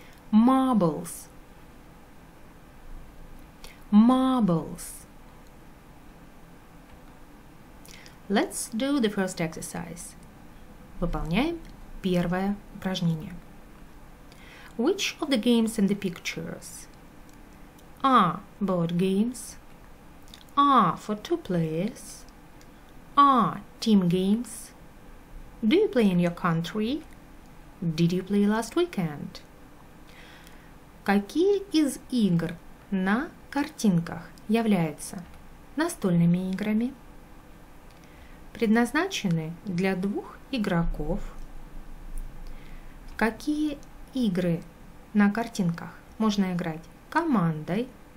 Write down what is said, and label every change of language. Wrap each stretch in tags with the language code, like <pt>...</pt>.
<en>Marbles. Marbles. Let's do the first exercise.</en> <ru>Выполняем первое упражнение.</ru> <en>Which of the games in the pictures are board games, are for two players, are team games, do you play in your country, did you play last weekend?</en> <ru>Какие из игр на картинках являются настольными играми, предназначены для двух игроков? Какие игры на картинках можно играть командой?</ru>